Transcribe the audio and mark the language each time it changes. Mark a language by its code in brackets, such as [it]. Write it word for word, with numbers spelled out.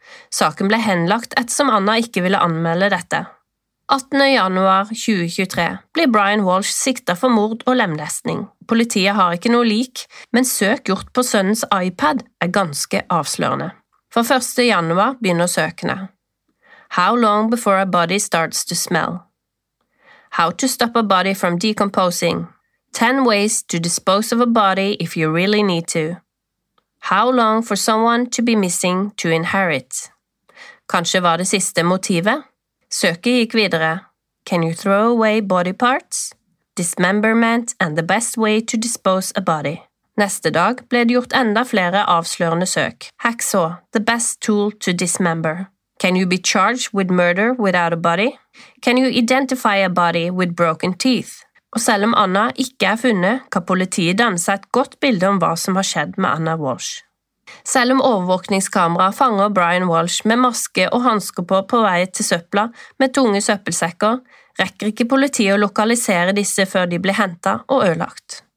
[no] Saken ble henlagt ettersom Anna ikke ville anmelde dette. attende januar tjue tjuetre blir Brian Walsh siktet for mord og lemlestning. Politiet har ikke noe lik, men søk gjort på sønnens iPad er ganske avslørende. For første januar begynner søkene. [en] How long before a body starts to smell? How to stop a body from decomposing. ten ways to dispose of a body if you really need to. How long for someone to be missing to inherit. [no] Kanskje var det siste motivet? Søket gikk videre. [en] Can you throw away body parts? Dismemberment and the best way to dispose a body. [no] Neste dag ble det gjort enda flere avslørende søk. [en] Hacksaw, the best tool to dismember. Can you be charged with murder without a body? Can you identify a body with broken teeth? [no] Og selv om Anna ikke er funnet, kan politiet danne seg et godt bilde om hva som har skjedd med Anna Walsh. Selv om overvåkningskamera fanger Brian Walsh med maske og hansker på på vei til søpla med tunge søppelsekker, rekker ikke politiet å lokalisere disse før de blir hentet og ødelagt.